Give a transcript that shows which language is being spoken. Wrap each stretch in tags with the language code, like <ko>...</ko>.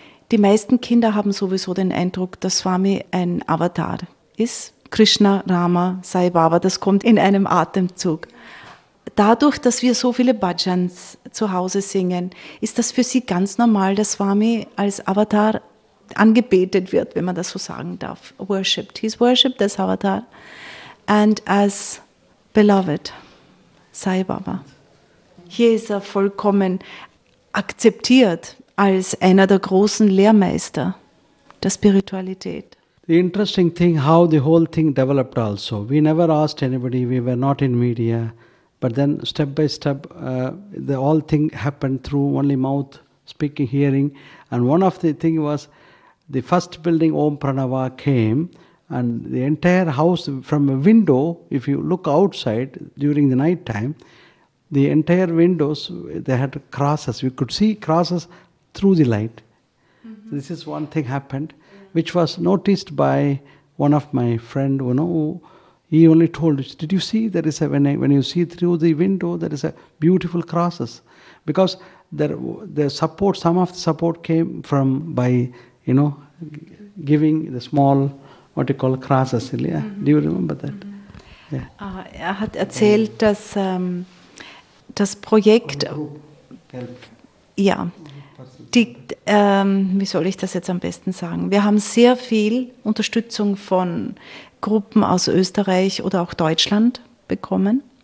<de>Die meisten Kinder haben sowieso den Eindruck, dass Swami ein Avatar ist. Krishna, Rama, Sai Baba, das kommt in einem Atemzug. Dadurch, dass wir so viele Bhajans zu Hause singen, ist das für sie ganz normal, dass Swami als Avatar angebetet wird, wenn man das so sagen darf.</de> <en>Worshipped. He's worshipped as Avatar and as beloved, Sai Baba.</en> <de>Hier ist er vollkommen akzeptiert als einer der großen Lehrmeister der Spiritualität.</de> <en>The interesting thing, how the whole thing developed also. We never asked anybody, we were not in media. But then step by step, the whole thing happened through only mouth, speaking, hearing. And one of the thing was, the first building, Om Pranava, came, and the entire house, from a window, if you look outside during the night time, the entire windows, they had crosses. We could see crosses through the light. Mm-hmm. This is one thing happened, which was noticed by one of my friend, you know, he only told us, did you see, there is a, when you see through the window, there is a beautiful crosses. Because some of the support came from by, you know, giving the small, what you call crosses. Yeah? Mm-hmm. Do you remember that? Mm-hmm. Yeah.</en> <de>Er hat erzählt, dass das Projekt, ja, wie soll ich das jetzt am besten sagen? Wir haben sehr viel Unterstützung von Gruppen aus Österreich oder auch Deutschland bekommen.</de>